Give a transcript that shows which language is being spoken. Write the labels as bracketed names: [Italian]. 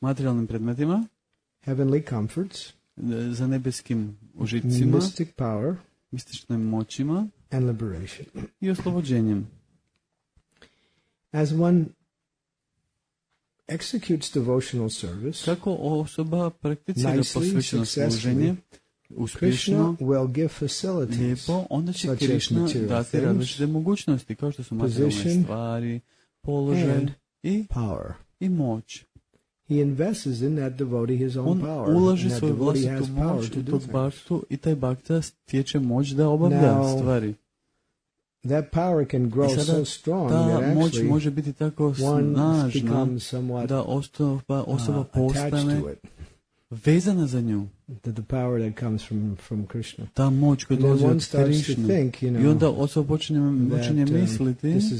[Croatian] materijalnim predmetima, [English] heavenly comforts, [Croatian] za nebeskim užitcima, [English] mystic power, [Croatian] mističnim moćima, [English] and liberation, [Croatian] i oslobođenjem. [English] As one executes devotional service, [Croatian] kako osoba prakticira posvećeno služenje, [English] Krishna will give facilities, [Croatian] lijepo, onda će Krishna dati različite mogućnosti, kao što su materijalne stvari, položaj i [English] power. [Croatian] I moć. [English] He invests in that devotee his own power. [Croatian] On ulaže svoju vlastitu moć u tog bhaktu i taj bhakta stječe moć da obavlja stvari. [English] That power can grow so strong that actually [Croatian] moć može biti tako snažna da osoba postane vezana za nju. [English] That the power that comes from Krishna. [Croatian] Ta moć koja dolazi od Krishna. I onda osoba počinje misliti